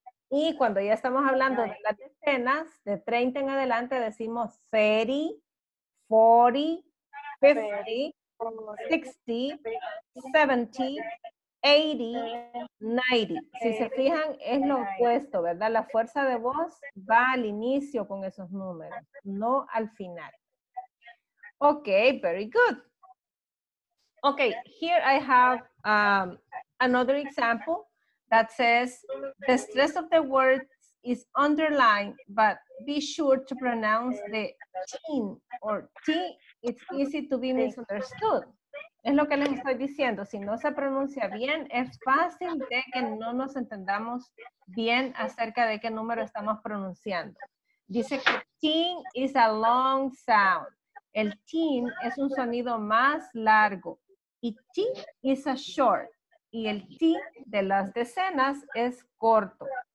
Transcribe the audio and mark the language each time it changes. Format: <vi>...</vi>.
<es>Y cuando ya estamos hablando de las decenas, de 30 en adelante, decimos 30, 40, 50, 60, 70, 80, 90. Si se fijan, es lo opuesto, ¿verdad? La fuerza de voz va al inicio con esos números, no al final.</es> <en>Okay, very good. Okay, here I have another example that says the stress of the words is underlined, but be sure to pronounce the teen or T. It's easy to be misunderstood.</en> <es>Es lo que les estoy diciendo. Si no se pronuncia bien, es fácil de que no nos entendamos bien acerca de qué número estamos pronunciando. Dice que teen is a long sound. El teen es un sonido más largo. Y T is a short. Y el T de las decenas es corto.</es>